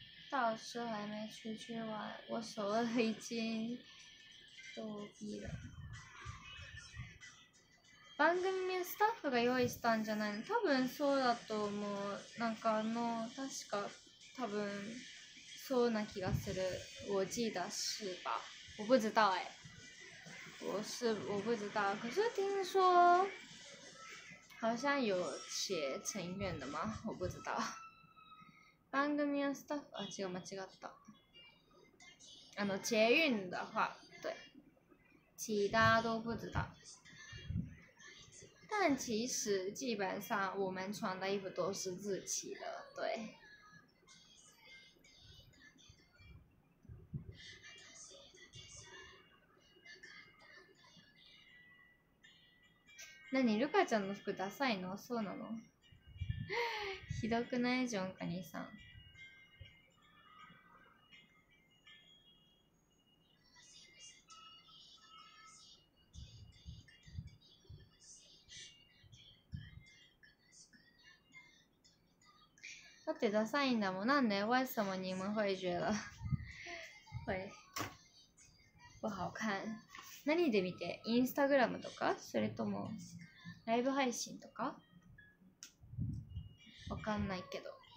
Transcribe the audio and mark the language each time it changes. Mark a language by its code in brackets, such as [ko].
[zh] 老师还没出去玩，我手已经逗逼了。 [ja] 番組のスタッフが用意したんじゃないの？多分そうだと思う。なんかあの確か多分そうな気がする。 [zh] 我记得是吧？我不知道哎。我不知道。可是听说好像有写成员的吗？我不知道。 [ja] 番組のスタッフ、あ、違う、間違った。 [zh] あの、捷運的話、对。其他都不知道。但其实、基本上、我们穿的衣服都是自己的、对。 [ja] なに、ルカちゃんの服ダサいの？そうなの？ひどくない？ジョンカニさん。だってダサいんだもん。なんで？ [zh] 为什么你们会觉得会不好看？ [ja] 何で見て？インスタグラムとか？それともライブ配信とか？わかんないけど。